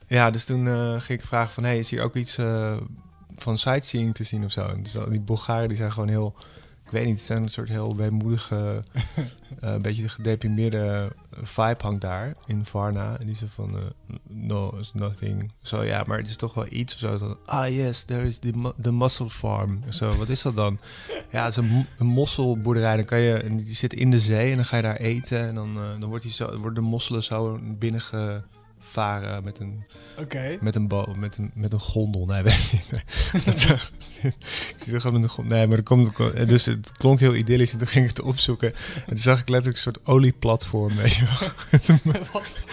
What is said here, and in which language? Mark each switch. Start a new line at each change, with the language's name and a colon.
Dutch: Dus toen ging ik vragen van, hey, is hier ook iets. Van sightseeing te zien of zo. En die Bulgaren die zijn gewoon heel... Ik weet niet, het zijn een soort heel weemoedige... een beetje gedeprimeerde vibe hangt daar in Varna. En die zijn van...
English: no, it's nothing.
Dutch: Zo ja, maar het is toch wel iets of zo. Van,
English: ah yes, there is the mussel farm.
Dutch: Zo, wat is dat dan? Ja, het is een mosselboerderij. Dan kan je, en die zit in de zee en dan ga je daar eten. En dan worden de mosselen zo binnenge... varen met een okay. met een gondel. Nee, weet niet. Ik zie toch met een gondel. Nee, maar er komt dus het klonk heel idyllisch en toen ging ik het opzoeken en toen zag ik letterlijk een soort olieplatform, weet je wel.